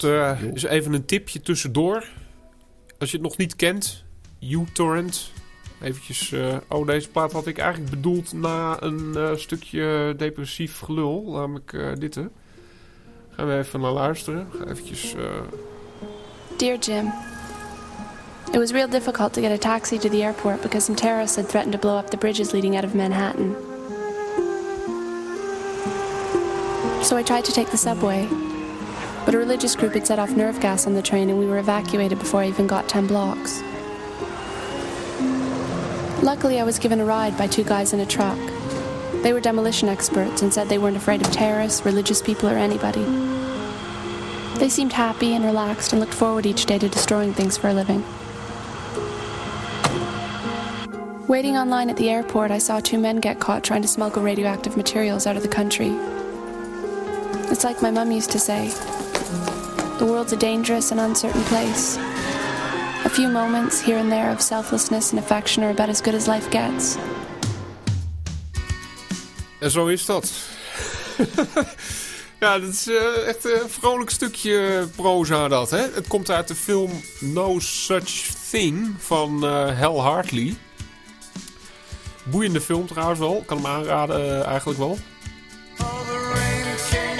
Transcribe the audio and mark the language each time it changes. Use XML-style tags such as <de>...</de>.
<nl>Dat is even een tipje tussendoor. Als je het nog niet kent, uTorrent. Eventjes, deze plaat had ik eigenlijk bedoeld na een stukje depressief gelul. Namelijk dit, hè. Gaan we even naar luisteren. Ga eventjes...</nl> <en>Dear Jim, it was real difficult to get a taxi to the airport because some terrorists had threatened to blow up the bridges leading out of Manhattan. So I tried to take the subway, but a religious group had set off nerve gas on the train and we were evacuated before I even got 10 blocks. Luckily, I was given a ride by two guys in a truck. They were demolition experts and said they weren't afraid of terrorists, religious people, or anybody. They seemed happy and relaxed and looked forward each day to destroying things for a living. Waiting online at the airport, I saw two men get caught trying to smuggle radioactive materials out of the country. It's like my mum used to say, the world's a dangerous and uncertain place. A few moments here and there of selflessness and affection are about as good as life gets.</en> <nl>En zo is dat. Ja, dat is echt een vrolijk stukje proza dat, hè. Het komt uit de film No Such Thing van Hal Hartley. Boeiende film trouwens wel. Kan hem aanraden eigenlijk wel.</nl> <en>All the</en>